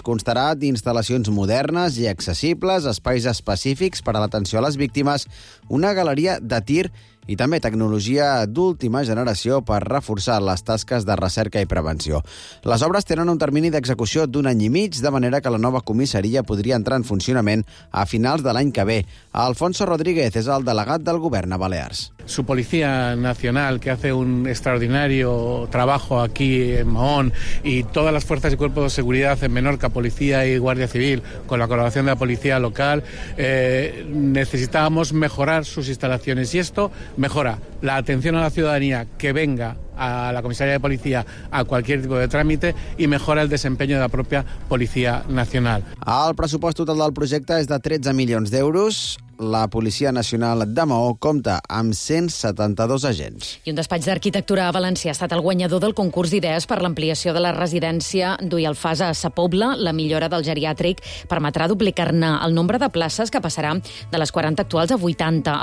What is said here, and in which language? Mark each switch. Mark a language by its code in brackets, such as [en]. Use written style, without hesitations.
[ca] Constarà d'instal·lacions modernes i accessibles, espais específics per a l'atenció a les víctimes, una galeria de tir i també tecnologia d'última generació per reforçar les tasques de recerca i prevenció. Les obres tenen un termini d'execució d'un any i mig, de manera que la nova comissaria podria entrar en funcionament a finals de l'any que ve. Alfonso Rodríguez és el delegat del govern a Balears. [es] Su policía nacional, que hace un extraordinario trabajo aquí en Mahón, y todas las fuerzas y cuerpos de seguridad en Menorca, policía y guardia civil, con la colaboración de la policía local, necesitábamos mejorar sus instalaciones, y esto mejora la atención a la ciudadanía que venga a la comisaría de policía a cualquier tipo de trámite y mejora el desempeño de la propia policía nacional. [ca] El pressupost total del projecte és de 13 milions d'euros. La Policia Nacional de Mahó compta amb 172 agents. I un despatx d'arquitectura a València ha estat el guanyador del concurs d'idees per l'ampliació de la residència d'Uy Alfàs a Sa Pobla. La millora del geriàtric permetrà duplicar-ne el nombre de places, que passarà de les 40 actuals a 80.